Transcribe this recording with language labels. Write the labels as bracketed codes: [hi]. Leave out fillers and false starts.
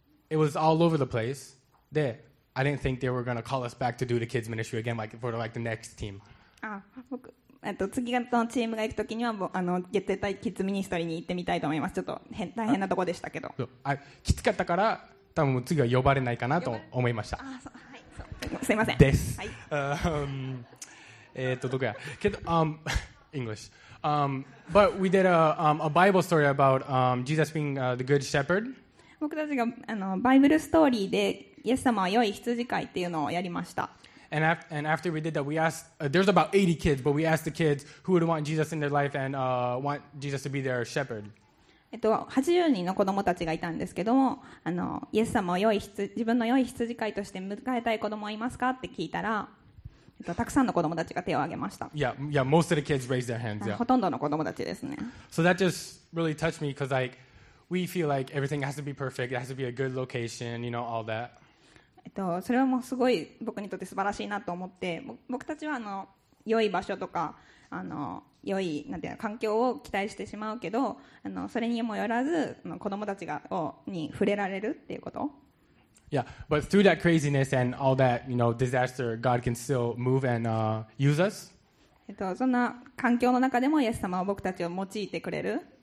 [en] it was all over the place. で、I didn't think they were gonna call us back to do the kids ministry again, like for like the next team. [ja] Ah, 僕、次のチームが行くときには、あの、絶対キッズミニストリーに行ってみたいと思います。ちょっと変大変なとこでしたけど。きつかったから、多分次は呼ばれないかなと思いました。すいません。です。はい。どこや。けど、 [en] English. But we did a Bible story about Jesus being the good shepherd. [ja] 僕たちがあのバイブルストーリーでイエス様は良い羊飼いっていうのをやりました。 [en] And after we did that, we asked. There's about 80 kids, but we asked the kids who would want Jesus in their life and want Jesus to be their shepherd. [ja] 80人の子供たちがいたんですけども、あのイエス様を良い自分の良い羊飼いとして迎えたい子供はいますかって聞いたら。たくさんの子供たちが手を挙げました。 [en] Yeah, most of the kids raised their hands, yeah. [ja] ほとんどの子供たちですね。 [en] So that just really touched me because like we feel like everything has to be perfect, it has to be a good location, you know, all that. [ja] それはもうすごい僕にとって素晴らしいなと思って、僕たちはあの良い場所とかあの良いなんていうの環境を期待してしまうけど、あのそれにもよらず子供たちがに触れられるっていうこと。 [en] Yeah, but through that craziness and all that, you know, disaster, God can still move and use us. [ja] そんな環境の中でもイエス様は僕たちを用いてくれる。